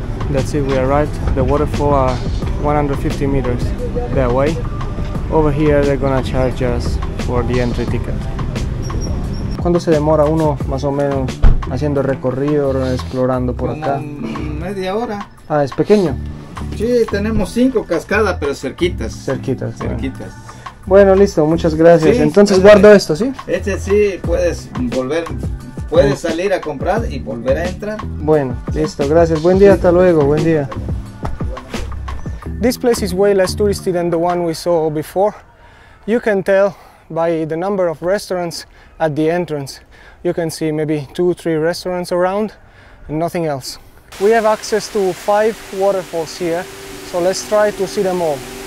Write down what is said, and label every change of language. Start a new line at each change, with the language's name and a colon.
English: That's it, we arrived. The waterfalls are 150 meters that way. Over here they're gonna charge us for the entry ticket.
Spanish: ¿Cuánto se demora uno más o menos haciendo recorrido o explorando por acá? Media hora. Ah, es pequeño. Sí, tenemos 5 cascadas, pero cerquitas. Cerquitas. Cerquitas. Bueno, listo, muchas gracias. Sí, entonces guardo esto, ¿sí? Este sí, puedes volver, puedes salir a comprar y volver a entrar. Bueno, listo, gracias. Buen día, hasta luego, buen día.
English: This place is way less touristy than the one we saw before. You can tell by the number of restaurants at the entrance. You can see maybe 2 or 3 restaurants around and nothing else. We have access to 5 waterfalls here, so let's try to see them all.